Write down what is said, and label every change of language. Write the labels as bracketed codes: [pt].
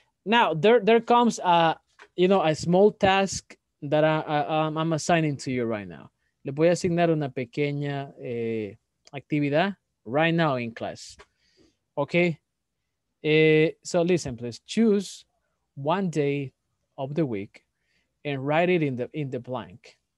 [en] Now, there comes a small task that I'm assigning to you right now. [es] Le voy a asignar una pequeña actividad [en] right now in class. Okay? So listen, please. Choose one day of the week and write it in the blank.